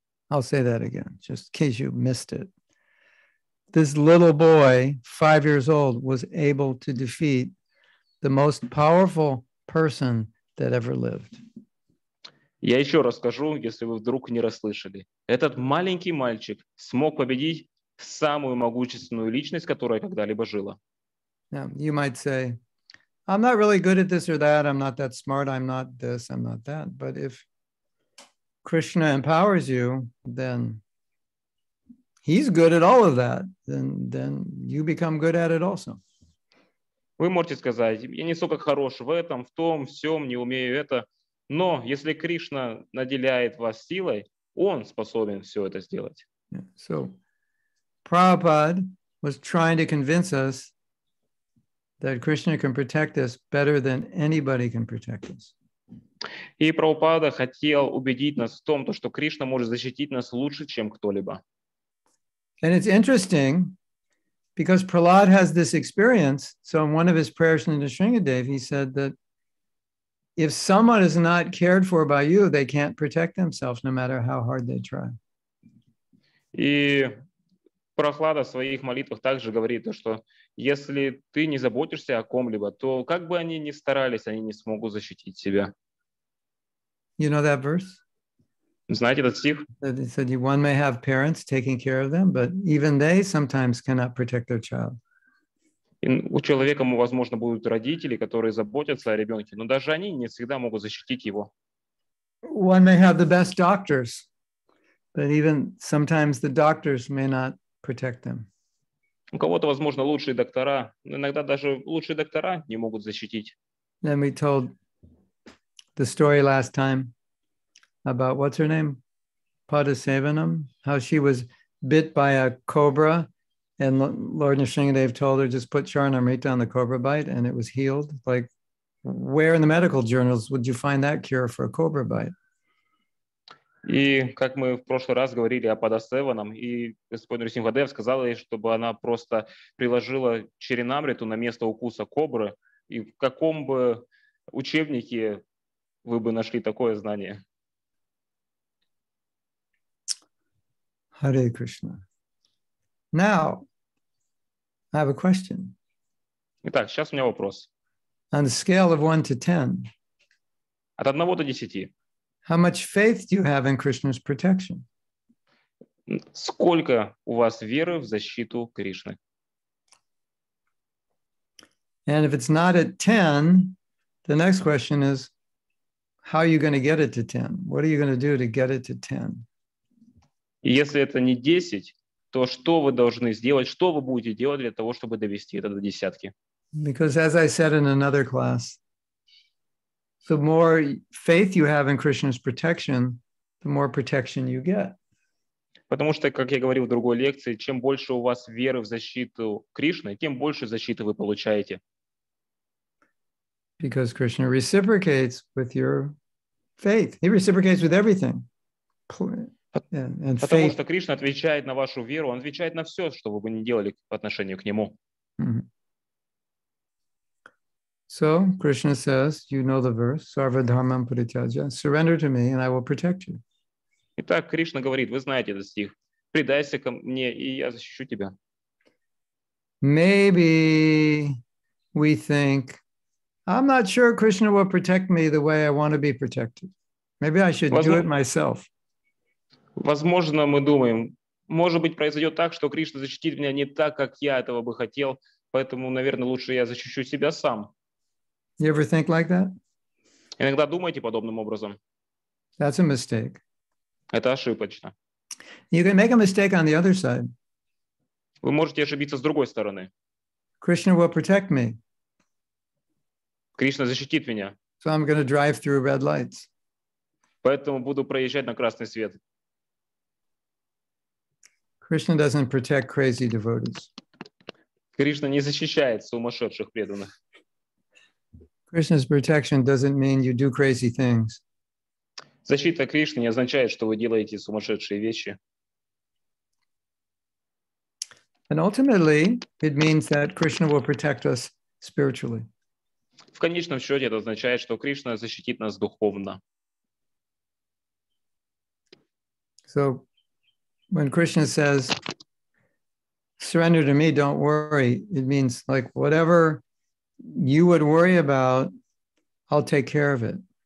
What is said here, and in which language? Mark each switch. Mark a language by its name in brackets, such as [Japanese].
[English] I'll say that again, just in case you missed it. This little boy, 5 years old, was able to defeat the most powerful person that ever lived. [Russian] Я еще раз скажу, если вы вдруг не расслышали. Этот маленький мальчик смог победить самую могущественную личность, которая когда-либо жила. [English] Now, you might say, I'm not really good at this or that, I'm not that smart, I'm not this, I'm not that. But if Krishna empowers you, then he's good at all of that, then you become good at it also. [Russian] Вы можете сказать, я не столько хорош в этом, в том, в сём, не умею это. Но если Кришна наделяет вас силой, он способен всё это сделать. [English] Yeah. So, Prabhupada was trying to convince us that Krishna can protect us better than anybody can protect us. [Russian] И Прабхупада хотел убедить нас в том, что Кришна может защитить нас лучше, чем кто-либо. [English] And it's interesting, because Prahlad has this experience, so in one of his prayers in the Sringadev, he said that if someone is not cared for by you, they can't protect themselves, no matter how hard they try. [Russian] И Прохлада в своих молитвах также говорит то, что если ты не заботишься о ком-либо, то как бы они ни старались, они не смогут защитить себя. [English] You know that verse? [Russian] Знаете этот стих? [English] That it said, one may have parents taking care of them, but even they sometimes cannot protect their child. [Russian] И у человека, возможно, будут родители, которые заботятся о ребенке, но даже они не всегда могут защитить его. [English] One may have the best doctors, but even sometimes the doctors may not protect them. [Russian] У кого-то, возможно, лучшие доктора, но иногда даже лучшие доктора не могут защитить. [English] Then we told the story last time about what's her name? Padasevanam, how she was bit by a cobra and Lord Nrisimhadev told her just put charanamrita on the cobra bite and it was healed. Like where in the medical journals would you find that cure for a cobra bite? [Russian] И как мы в прошлый раз говорили о Падасеванам, и господин Нрисимхадев сказал ей, чтобы она просто приложила чаринамриту на место укуса кобры, и в каком бы учебнике вы бы нашли такое знание? [English] Hare Krishna. Now, I have a question. [Russian] Итак, сейчас у меня вопрос. [English] On a scale of 1 to 10. [Russian] От 1 до 10. [English] How much faith do you have in Krishna's protection? [Russian] Сколько у вас веры в защиту Кришны? [English] And if it's not at 10, the next question is, how are you going to get it to 10? What are you going to do to get it to 10? [Russian] Если это не 10, то что вы должны сделать, что вы будете делать для того, чтобы довести это до десятки? [English] Because as I said in another class, the more faith you have in Krishna's protection, the more protection you get. [Russian] Потому что, как я говорил в другой лекции, чем больше у вас веры в защиту Кришны, тем больше защиты вы получаете. [English] Because Krishna reciprocates with your faith. He reciprocates with everything. And faith. [Russian] Потому что Кришна отвечает на вашу веру, он отвечает на все, что вы бы ни делали по отношению к нему. [English] So Krishna says, you know the verse, [Sanskrit] Sarva Dharmam Parityaja, [English] surrender to me and I will protect you. [Russian] Итак, Кришна говорит, вы знаете этот стих, предайся ко мне, и я защищу тебя. [English] Maybe we think, I'm not sure Krishna will protect me the way I want to be protected. Maybe I should do it myself. [Russian] Возможно, мы думаем, может быть, произойдет так, что Кришна защитит меня не так, как я этого бы хотел, поэтому, наверное, лучше я защищу себя сам. [English] You ever think like that? [Russian] Иногда думаете подобным образом? [English] That's a mistake. [Russian] Это ошибочно. [English] You can make a mistake on the other side. [Russian] Вы можете ошибиться с другой стороны. [English] Krishna will protect me. [Russian] Кришна защитит меня. [English] So I'm going to drive through red lights. [Russian] Поэтому буду проезжать на красный свет. [English] Krishna doesn't protect crazy devotees. [Russian] Кришна не защищает сумасшедших преданных. [English] Krishna's protection doesn't mean you do crazy things. [Russian] Защита Кришны не означает, что вы делаете сумасшедшие вещи. [English] And ultimately, it means that Krishna will protect us spiritually. [Russian] В конечном счете это означает, что Кришна защитит нас духовно. [English] So, when Krishna says, "Surrender to me, don't worry," it means like whatever you would worry about, I'll take care of it.